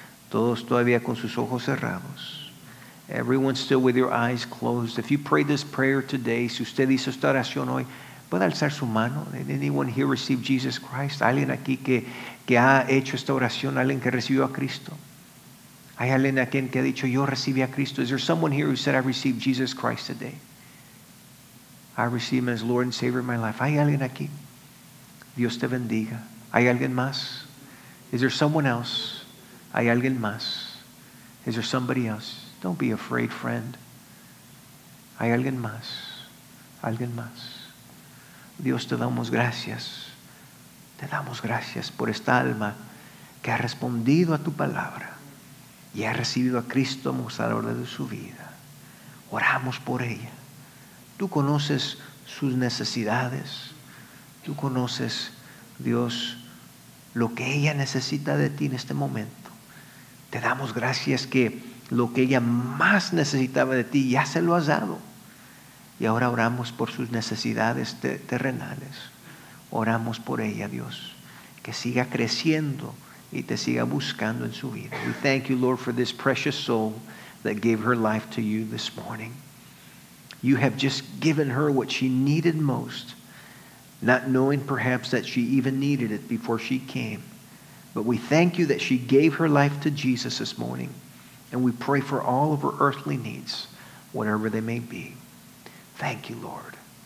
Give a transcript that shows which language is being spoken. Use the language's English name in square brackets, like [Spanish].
[Spanish] Todos todavía con sus ojos cerrados. [English] Everyone still with your eyes closed. If you prayed this prayer today, [Spanish] si usted hizo esta oración hoy, puede alzar su mano. [English] Did anyone here receive Jesus Christ? [Spanish] ¿Alguien aquí que ha hecho esta oración? ¿Alguien que recibió a Cristo? ¿Hay alguien aquí que ha dicho, yo recibí a Cristo? [English] Is there someone here who said, I received Jesus Christ today? I receive him as Lord and Savior of my life. [Spanish] ¿Hay alguien aquí? Dios te bendiga. ¿Hay alguien más? [English] Is there someone else? [Spanish] ¿Hay alguien más? [English] Is there somebody else? Don't be afraid, friend. [Spanish] ¿Hay alguien más? ¿Alguien más? Dios, te damos gracias. Te damos gracias por esta alma que ha respondido a tu palabra y ha recibido a Cristo como Salvador de su vida. Oramos por ella. Tú conoces sus necesidades. Tú conoces, Dios, lo que ella necesita de ti en este momento. Te damos gracias que lo que ella más necesitaba de ti ya se lo has dado. Y ahora oramos por sus necesidades terrenales. Oramos por ella, Dios, que siga creciendo y te siga buscando en su vida. [English] We thank you, Lord, for this precious soul that gave her life to you this morning. You have just given her what she needed most, not knowing perhaps that she even needed it before she came. But we thank you that she gave her life to Jesus this morning. And we pray for all of her earthly needs, whatever they may be. Thank you, Lord.